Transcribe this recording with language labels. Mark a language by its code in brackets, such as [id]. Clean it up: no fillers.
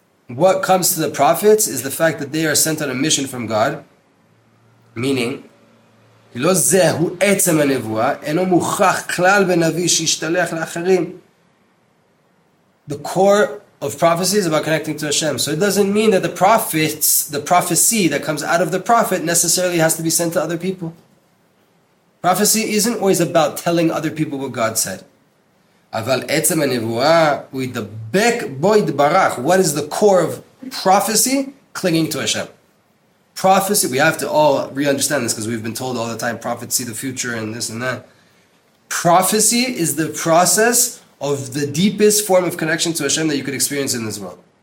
[en] What comes to the prophets is the fact that they are sent on a mission from God, meaning, [he] לא זהו עצם הנבואה, אינו מוכרח כלל בנביא שישתלח לאחרים. [en] The core of prophecy is about connecting to Hashem. So it doesn't mean that the prophecy that comes out of the prophet necessarily has to be sent to other people. Prophecy isn't always about telling other people what God said. [he] אבל עצם הנבואה הוא ידבק בו יתברך. [en] What is the core of prophecy? Clinging to Hashem. Prophecy, we have to all re-understand this because we've been told all the time, prophets see the future and this and that. Prophecy is the process of the deepest form of connection to Hashem that you could experience in this world.